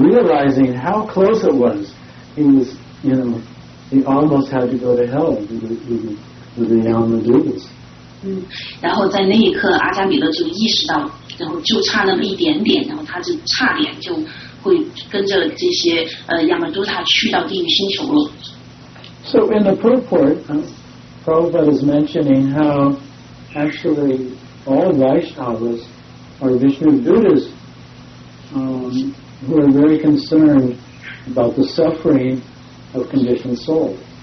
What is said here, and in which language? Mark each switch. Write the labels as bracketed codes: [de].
[en] realizing how close it was, he was, you know, he almost had to go to hell with the Yama Dutas. [zh] 然后在那一刻，阿加米勒就意识到，然后就差那么一点点，然后他就差点就会跟着这些Yama Dutas去到地狱星球了。 [en] So in the purport, Prabhupada is mentioning how actually all Vaishnavas are Vishnu Dutas who are very concerned about the suffering of conditioned souls.